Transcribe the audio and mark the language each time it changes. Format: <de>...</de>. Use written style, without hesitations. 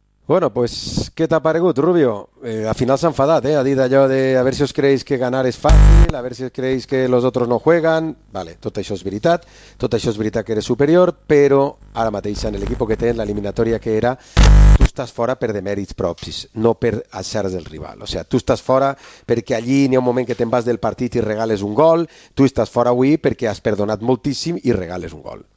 <ca>Bueno, pues, què t'ha paregut, Rubio? Al final s'ha enfadat, ha dit allò de</ca> <es>a ver si os creéis que ganar es fácil, a ver si os creéis que los otros no juegan.</es> <ca>Vale, tot això és veritat, tot això és veritat que eres superior, però ara mateix en l'equip que té, en l'eliminatòria que era, tu estàs fora per demèrits propis, no per aixars del rival. O sea, tu estàs fora perquè allí n'hi ha un moment que te'n vas del partit i regales un gol, tu estàs fora avui perquè has perdonat moltíssim i regales un gol.</ca>